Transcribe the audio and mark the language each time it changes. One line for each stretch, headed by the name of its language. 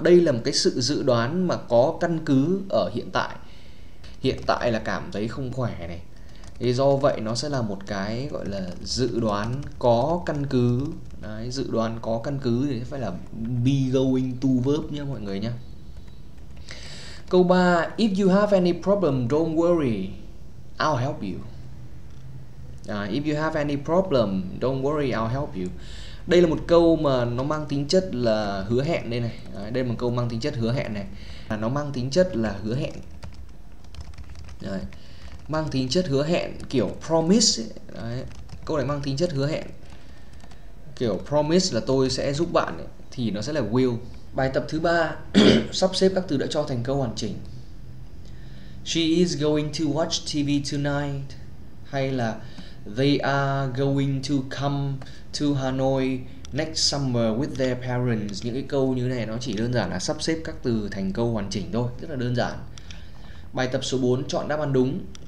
Vietnamese: Đây là một cái sự dự đoán mà có căn cứ ở hiện tại. Hiện tại là cảm thấy không khỏe này. Thì do vậy nó sẽ là một cái gọi là dự đoán có căn cứ. Đấy, dự đoán có căn cứ thì phải là be going to verb nha mọi người nha. Câu 3,
English: if you have any problem, don't worry, I'll help you. If you have any problem, don't worry, I'll help you.
Vietnamese: Đây là một câu mà nó mang tính chất là hứa hẹn đây này. Đấy, đây là một câu mang tính chất hứa hẹn này. Là nó mang tính chất là hứa hẹn. Đấy. Mang tính chất hứa hẹn kiểu promise ấy. Đấy. Câu này mang tính chất hứa hẹn. Kiểu promise là tôi sẽ giúp bạn ấy. Thì nó sẽ là will. Bài tập thứ 3 sắp xếp các từ đã cho thành câu hoàn chỉnh.
English: She is going to watch TV tonight.
Vietnamese: Hay là
English: they are going to come to Hanoi next summer with their parents.
Vietnamese: Những cái câu như này nó chỉ đơn giản là sắp xếp các từ thành câu hoàn chỉnh thôi, rất là đơn giản. Bài tập số 4 chọn đáp án đúng.